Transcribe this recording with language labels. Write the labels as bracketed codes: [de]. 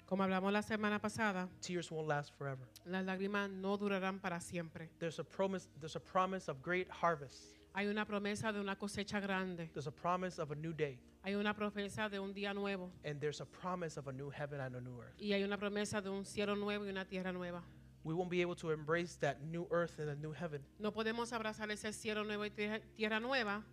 [es] como hablamos la semana pasada, [en] tears won't last forever. [es] Las lágrimas no durarán para siempre. [en] There's a promise of great harvest. [es] Hay una promesa de una cosecha grande. [en] There's a promise of a new day. [es] Hay una promesa de un día nuevo. [en] And there's a promise of a new heaven and a new earth. [es] Y hay una promesa de un cielo nuevo y una tierra nueva. [en] We won't be able to embrace that new earth and a new heaven. [es] No podemos abrazar ese cielo nuevo y tierra nueva.